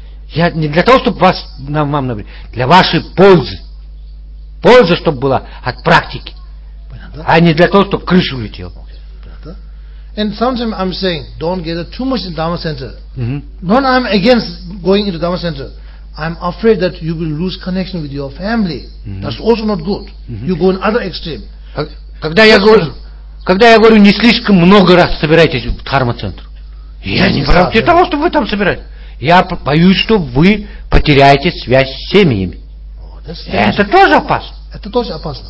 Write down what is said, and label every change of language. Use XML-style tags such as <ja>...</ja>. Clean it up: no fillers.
<ru>Я не для того, чтобы вас вам навредить, для вашей пользы. Польза, чтобы была от практики. Понятно? А не для того, чтобы крыша улетела. Okay.</ru> <en>And sometimes I'm saying, don't gather too much in Dharma Center. Mm-hmm. Not I'm against going into Dharma Center. I'm afraid that you will lose connection with your family. Mm-hmm. That's also not good. Mm-hmm. You go in other extreme.</en> <ru>Когда я говорю, не слишком много раз собирайтесь в Дхарма Центр. Я не прав для того, чтобы вы там собирались. Я боюсь, что вы потеряете связь с семьями. Это тоже опасно.</ru>